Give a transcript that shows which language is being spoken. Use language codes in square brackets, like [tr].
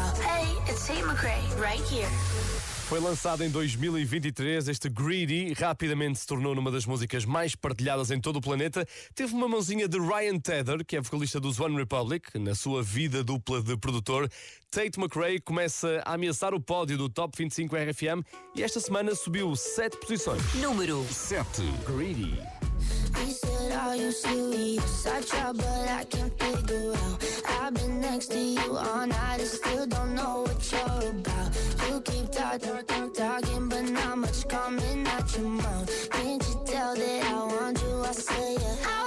[en] Hey, it's Tate McRae, right here. [pt] Foi lançado em 2023, este Greedy rapidamente se tornou numa das músicas mais partilhadas em todo o planeta. Teve uma mãozinha de Ryan Tedder, que é vocalista dos One Republic, na sua vida dupla de produtor. Tate McRae começa a ameaçar o pódio do Top 25 RFM e esta semana subiu 7 posições. Número 7. Greedy. [en] All your serious, I try but I can't figure out. I've been next to you all night and still don't know what you're about. You keep talking, but not much coming out your mouth. Can't you tell that I want you? I say yeah.